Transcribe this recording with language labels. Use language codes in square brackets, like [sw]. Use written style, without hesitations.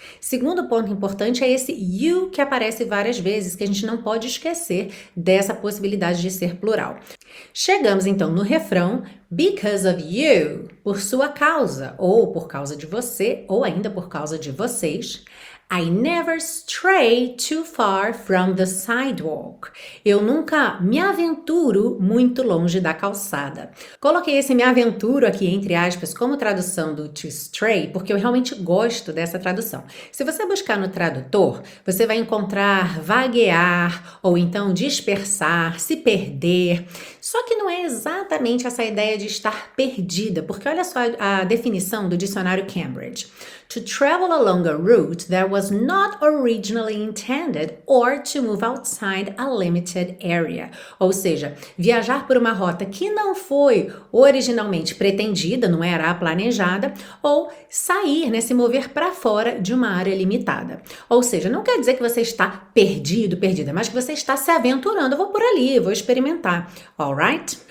[pt] Segundo ponto importante é esse you que aparece várias vezes, que a gente não pode esquecer dessa possibilidade de ser plural. Chegamos então no refrão, [en] because of you, [pt] por sua causa, ou por causa de você, ou ainda por causa de vocês. [en] I never stray too far from the sidewalk. [pt] Eu nunca me aventuro muito longe da calçada. Coloquei esse me aventuro aqui entre aspas como tradução do to stray, porque eu realmente gosto dessa tradução. Se você buscar no tradutor, você vai encontrar vaguear, ou então dispersar, se perder. Só que não é exatamente essa ideia de estar perdida, porque olha só a definição do dicionário Cambridge. [en] to travel along a route that was not originally intended or to move outside a limited area. [pt] Ou seja, viajar por uma rota que não foi originalmente pretendida, não era a planejada, ou sair, né, se mover para fora de uma área limitada. Ou seja, não quer dizer que você está perdido, perdida, mas que você está se aventurando. Eu vou por ali, vou experimentar. Alright?